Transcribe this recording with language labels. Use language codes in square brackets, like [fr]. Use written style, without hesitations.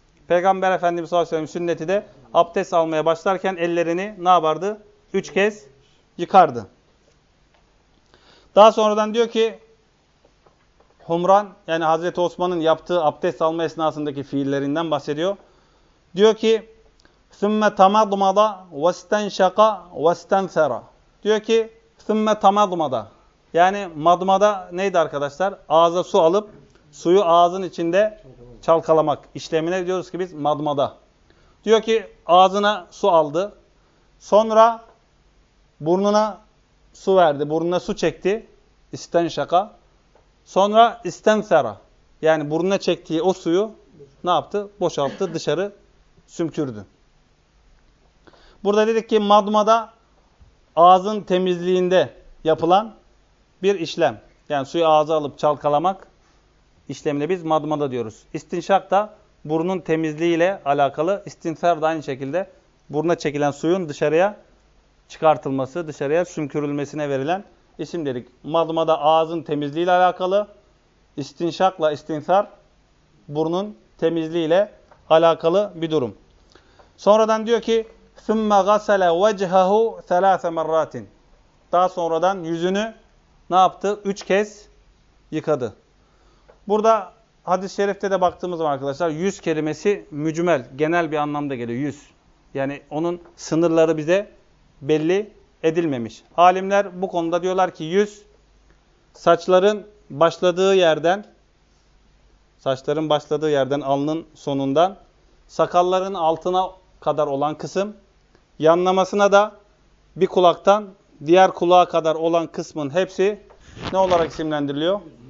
[tr] Peygamber Efendimiz sallallahu aleyhi ve sellem sünneti de abdest almaya başlarken ellerini ne yapardı? 3 kez yıkardı. Daha sonradan diyor ki Humran, yani Hazreti Osman'ın yaptığı abdest alma esnasındaki fiillerinden bahsediyor. Diyor ki [ar] ثُمَّ تَمَضْمَضَ وَاسْتَنْشَقَ وَاسْتَنْفَرَ. [tr] Diyor ki [ar] ثُمَّ تَمَضْمَضَ. [tr] Yani madmada neydi arkadaşlar? Ağza su alıp suyu ağzın içinde çalkalamak. İşlemine diyoruz ki biz madmada. Diyor ki ağzına su aldı. Sonra burnuna su verdi. Burnuna su çekti. İstenşaka. Sonra istenfera. Yani burnuna çektiği o suyu ne yaptı? Boşalttı. Dışarı sümkürdü. Burada dedik ki madmada ağzın temizliğinde yapılan bir işlem. Yani suyu ağza alıp çalkalamak işlemini biz madmada diyoruz. İstinşak da burnun temizliğiyle alakalı. İstinfer de aynı şekilde buruna çekilen suyun dışarıya çıkartılması, dışarıya sümkürülmesine verilen isim dedik. Madmada ağzın temizliğiyle alakalı. İstinşakla istinfer burnun temizliğiyle alakalı bir durum. Sonradan diyor ki [ar] ثُمَّ غَسَلَ وَجْهَهُ ثَلَاثَ مَرَّاتٍ. [tr] Daha sonradan yüzünü ne yaptı? 3 kez yıkadı. Burada hadis-i şerifte de baktığımız zaman arkadaşlar, yüz kelimesi mücmel, genel bir anlamda geliyor yüz. Yani onun sınırları bize belli edilmemiş. Alimler bu konuda diyorlar ki yüz saçların başladığı yerden, saçların başladığı yerden alnın sonundan sakalların altına kadar olan kısım, yanlamasına da bir kulaktan diğer kulağa kadar olan kısmın hepsi ne olarak isimlendiriliyor?